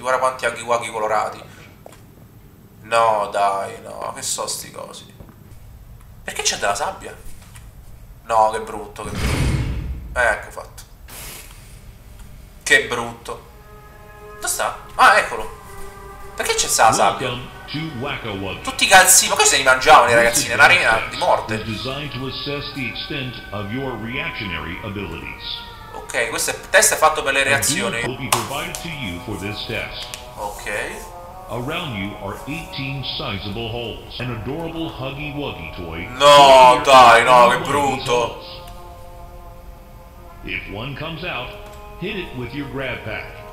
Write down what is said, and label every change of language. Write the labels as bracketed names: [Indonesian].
[Italian] Guarda quanti Agi Wagi colorati. No, dai, no, che so sti cosi. Perché c'è della sabbia? No, che brutto, che brutto. Ecco fatto. Che brutto. Dove sta? Ah, eccolo. Perché c'è della sabbia? Tutti i calzini, ma questi li mangiavano i ragazzini, l'arena di morte. [English] Designed to assess the extent of your reactionary abilities. [Italian] Ok, questo è, test è fatto per le reazioni. [English] Will be provided to you for this test. Ok. Around you are 18 sizable holes. An adorable Huggy Wuggy toy. [Italian] No, dai, no, che brutto. [English] If one comes out, hit it with your grab pack.